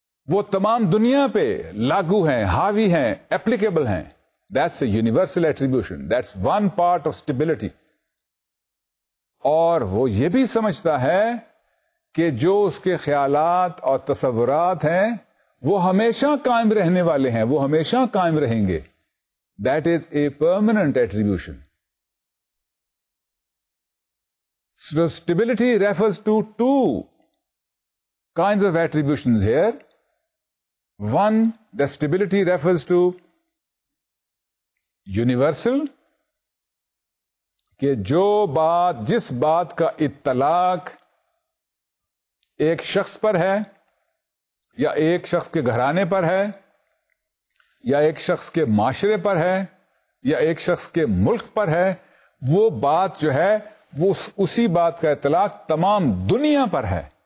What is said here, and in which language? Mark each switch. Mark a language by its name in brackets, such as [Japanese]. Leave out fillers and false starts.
[Urdu] وہ تمام دنیا پہ لاگو ہیں, حاوی ہیں, اپلیکیبل ہیں. [English] That's a universal attribution, that's one part of stability. [Urdu] اور وہ یہ بھی سمجھتا ہے کہ جو اس کے خیالات اور تصورات ہیں وہ ہمیشہ قائم رہنے والے ہیں, وہ ہمیشہ قائم رہیں گے. [English] That is a permanent attribution. So stability refers to two kinds of attributions here. One, the stability refers to universal, [Urdu] کہ جو بات, جس بات کا اطلاق ایک شخص پر ہے, یا ایک شخص کے گھرانے پر ہے, یا ایک شخص کے معاشرے پر ہے, یا ایک شخص کے ملک پر ہے, وہ بات جو ہے وہ اسی بات کا اطلاق تمام دنیا پر ہے.